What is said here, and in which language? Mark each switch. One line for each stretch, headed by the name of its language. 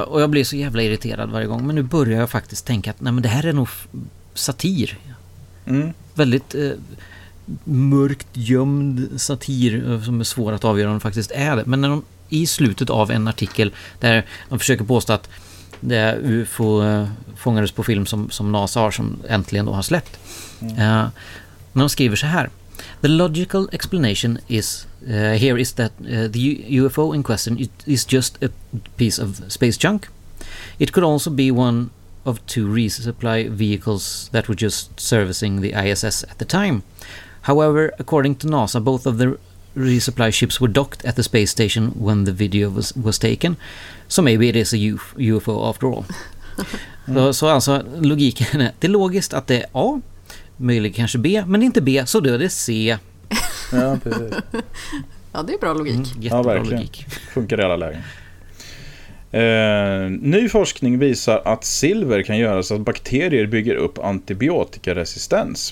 Swedish: Och jag blir så jävla irriterad varje gång. Men nu börjar jag faktiskt tänka att nej, men det här är nog satir. Mm. Väldigt mörkt, gömd satir som är svår att avgöra om det faktiskt är det. Men när de, i slutet av en artikel där de försöker påstå att det är UFO fångades på film som NASA har, som äntligen då har släppt. Mm. När de skriver så här:
English: "The logical explanation is here is that the UFO in question is just a piece of space junk. It could also be one of two resupply vehicles that were just servicing the ISS at the time. However, according to NASA, both of the resupply ships were docked at the space station when the video was taken. So maybe it is a UFO after all."
Swedish: Så alltså logiken är, det är logiskt att det är A, möjligt kanske B, men inte B, så då är det C. Ja, precis. Ja, det är bra logik. Jättebra, ja, verkligen. Logik. Funkar i alla lägen. Ny forskning visar att silver kan göra så att bakterier bygger upp antibiotikaresistens.